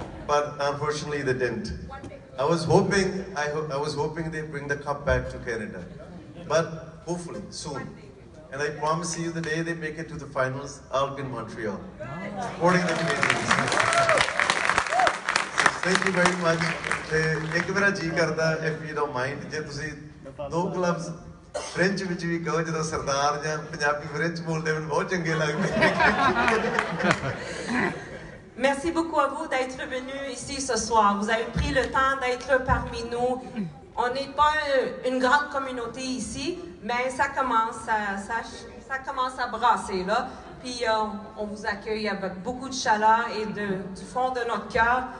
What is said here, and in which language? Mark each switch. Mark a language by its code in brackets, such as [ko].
[en] But unfortunately they didn't. I was hoping they bring the cup back to Canada. But hopefully soon. And I promise you the day they make it to the finals, I'll be in Montreal. Supporting the Canadians. So thank you very much. [pa] ਇੱਕ ਮੇਰਾ ਜੀ ਕਰਦਾ [en] if you don't mind [pa] ਜੇ ਤੁਸੀਂ ਦੋ gloves French ਵਿੱਚ ਵੀ ਕਹੋ ਜਦੋਂ ਸਰਦਾਰ ਜਾਂ ਪੰਜਾਬੀ ਫ੍ਰੈਂਚ ਬੋਲਦੇ ਮੈਨੂੰ ਬਹੁਤ ਚੰਗੇ ਲੱਗਦੇ [fr] Merci beaucoup à vous d'être venu ici ce soir. Vous avez pris le temps d'être parmi nous. On n'est pas une grande communauté ici, mais ça commence à brasser là. Puis on vous accueille avec beaucoup de chaleur et du fond de notre cœur.